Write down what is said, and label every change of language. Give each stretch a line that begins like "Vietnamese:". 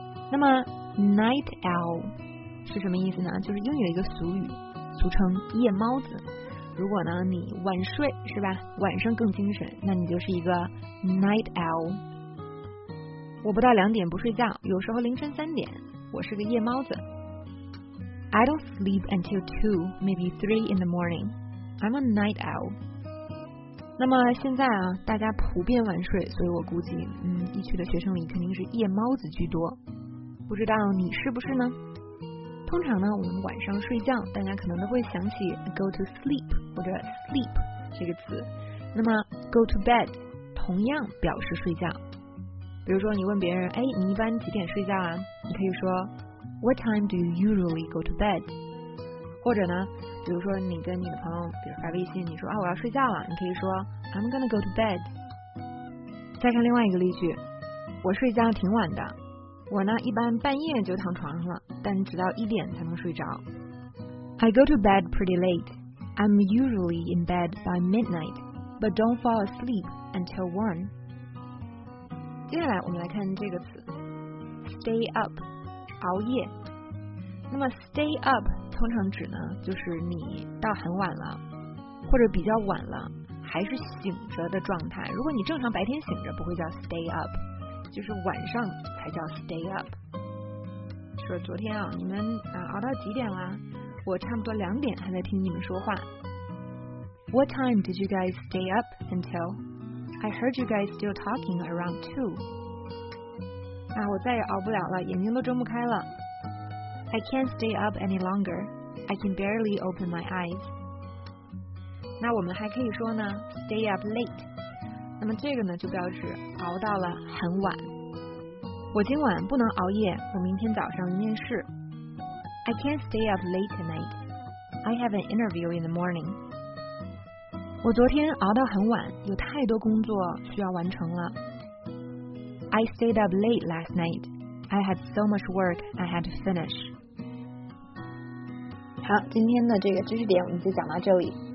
Chinese: 那么 Night Owl 是什么意思呢？就是英语的一个俗语，俗称夜猫子。如果呢你晚睡是吧，晚上更精神，那你就是一个 Night Owl。我不到两点不睡觉，有时候凌晨三点，我是个夜猫子。
English: I don't sleep until 2, maybe 3 in the morning. I'm a night owl.
Chinese: 那么现在啊，大家普遍晚睡，所以我估计一区的学生里肯定是夜猫子居多，不知道你是不是呢？通常呢我们晚上睡觉，大家可能都会想起 go to sleep 或者 sleep 这个词。那么 go to bed 同样表示睡觉，比如说你问别人，哎，你一般几点睡觉啊，你可以说
English: What time do you usually go to bed?
Chinese: 或者呢比如说你跟你的朋友比如发微信，你说啊，我要睡觉了，你可以说
English: I'm gonna go to bed.
Chinese: 再看另外一个例句，我睡觉挺晚的，我呢一般半夜就躺床上了，但直到一点才能睡着。
English: I go to bed pretty late. I'm usually in bed by midnight, but don't fall asleep until 1.
Chinese: 接下来我们来看这个词 stay up， 熬夜。那么 stay up 通常指呢就是你到很晚了或者比较晚了还是醒着的状态，如果你正常白天醒着不会叫 stay up， 就是晚上才叫 stay up。说昨天啊，你们熬到几点了，我差不多两点还在听你们说话。
English: What time did you guys stay up until? I heard you guys still talking around 2.
Chinese: 啊，我再也熬不了了，眼睛都睁不开了。
English: I can't stay up any longer. I can barely open my eyes.
Chinese: 那我们还可以说呢 stay up late. 那么这个呢就表示熬到了很晚。我今晚不能熬夜，我明天早上面试。
English: I can't stay up late tonight. I have an interview in the morning.
Chinese: 我昨天熬到很晚，有太多工作需要完成了。
English: I stayed up late last night. I had so much work I had to finish.
Chinese: 好，今天的这个知识点我们就讲到这里。